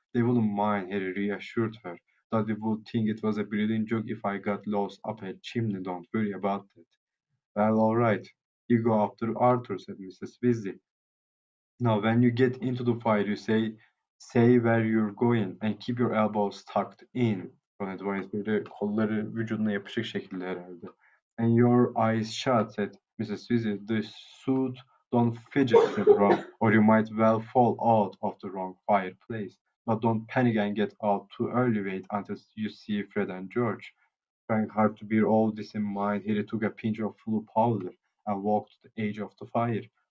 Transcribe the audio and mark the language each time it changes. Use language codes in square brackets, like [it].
[en] "They wouldn't mind," Harry reassured her. "Daddy would think it was a brilliant joke if I got lost up a chimney, don't worry about that." "Well, all right, you go after Arthur," said Mrs. Weasley. "Now, when you get into the fire, you say where you're going and keep your elbows tucked in." Ron advised, [tr] böyle kolları vücuduna yapışık şekilde herhalde. [en] "And your eyes shut," said Mrs. Weasley. "The suit don't fidget," said Ron, "or you might well fall out of the wrong fireplace. But don't panic and get out too early. Wait until you see Fred and George." Trying hard to bear all this in mind, Harry took a pinch of flu powder and walked to the edge of the fire.